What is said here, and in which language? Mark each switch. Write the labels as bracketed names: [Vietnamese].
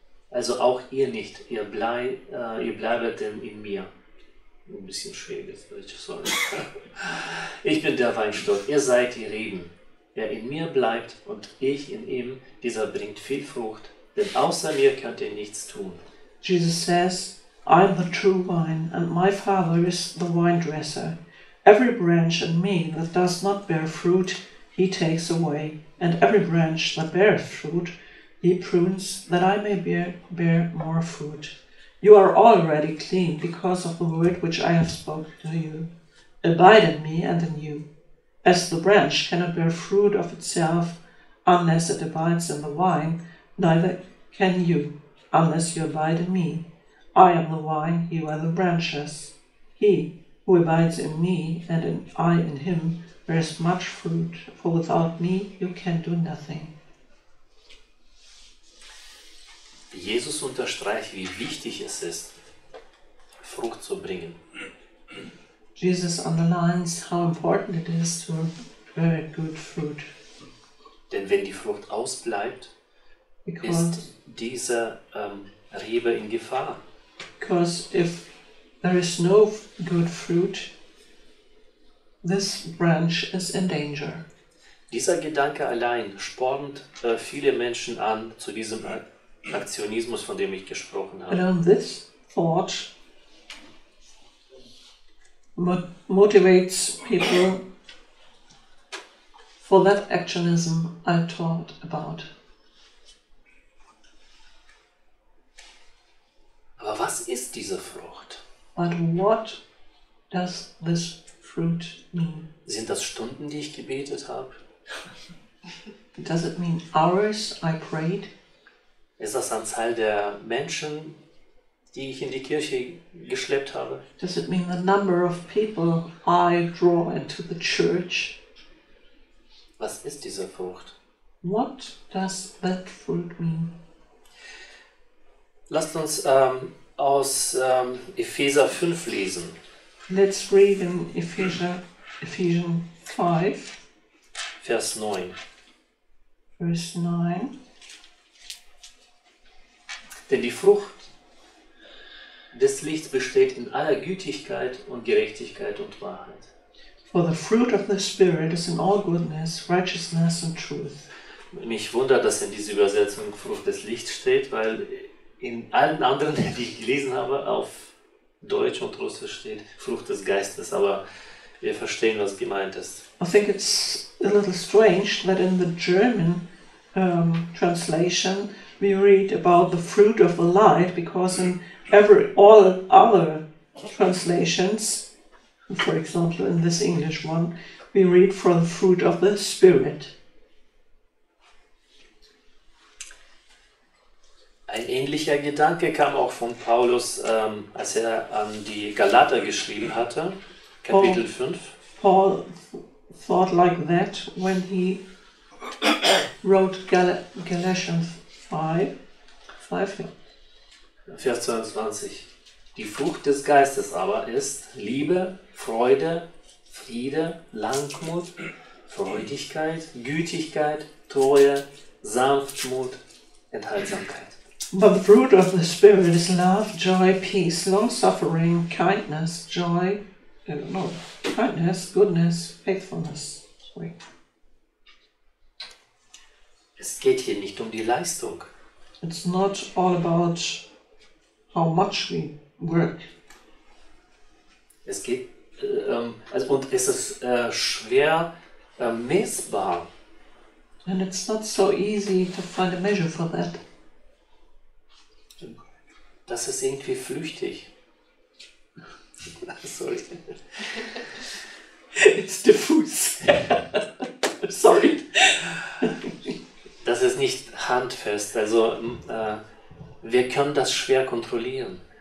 [German] Also auch ihr nicht, ihr bleibt denn in mir. Ein bisschen schwäbisch, sorry. Ich bin der Weinstock, ihr seid die Reben. Wer in mir bleibt und ich in ihm, dieser bringt viel Frucht, denn außer mir könnt ihr nichts tun. [English] Jesus says, I am the true vine, and my Father is the wine dresser. Every branch in me that does not bear fruit, he takes away, and every branch that bears fruit, he prunes, that I may bear more fruit. You are already clean because of the word which I have spoken to you. Abide in me and in you. As the branch cannot bear fruit of itself unless it abides in the vine, neither can you unless you abide in me. I am the vine, you are the branches. He who abides in me and I in him bears much fruit, for without me you can do nothing. [German] Jesus unterstreicht, wie wichtig es ist, Frucht zu bringen. [English] Jesus underlines how important it is to bear good fruit. [German] Denn wenn die Frucht ausbleibt, ist diese Rebe in Gefahr. [English] Because if there is no good fruit, this branch is in danger. [German] Dieser Gedanke allein spornt viele Menschen an zu diesem Aktionismus, von dem ich gesprochen habe. [English] And on this thought motivates people for that actionism I talked about. [German] Aber was ist diese Frucht? [English] But what does this fruit mean? [German] Sind das Stunden, die ich gebetet habe? [English] Does it mean hours I prayed? [German] Ist das Anzahl der Menschen, die ich in die Kirche geschleppt habe? [English] Does it mean the number of people I draw into the church? [German] Was ist diese Frucht? [English] What does that fruit mean? [German] Lasst uns aus Epheser 5 lesen. [English] Let's read in Ephesians 5, [German] Vers 9. [English] Verse 9. [German] Denn die Frucht des Lichts besteht in aller Gütigkeit und Gerechtigkeit und Wahrheit. [English] For the fruit of the Spirit is in all goodness, righteousness and truth. [German] Mich wundert, dass in dieser Übersetzung Frucht des Lichts steht, weil in allen anderen, die ich gelesen habe, auf Deutsch und Russisch steht Frucht des Geistes, aber wir verstehen, was gemeint ist. [English] I think it's a little strange that in the German translation we read about the fruit of the light, because in all other translations, for example in this English one, we read for the fruit of the Spirit. [German] Ein ähnlicher Gedanke kam auch von Paulus, als er an die Galater geschrieben hatte, Kapitel 5. [English] Paul thought like that when he wrote Galatians 5, ja. [German] Vers 22. Die Frucht des Geistes aber ist Liebe, Freude, Friede, Langmut, Freudigkeit, Gütigkeit, Treue, Sanftmut, Enthaltsamkeit. [English] But the fruit of the Spirit is love, joy, peace, long-suffering, kindness, joy, kindness, goodness, faithfulness. Sorry. [German] Es geht hier nicht um die Leistung. [English] It's not all about how much we work. [German] Es geht, und es ist schwer messbar. [English] And it's not so easy to find a measure for that. [German] Das ist irgendwie flüchtig. [English] Sorry. It's diffus. Sorry. [German] Das ist nicht handfest. Also wir können das schwer kontrollieren.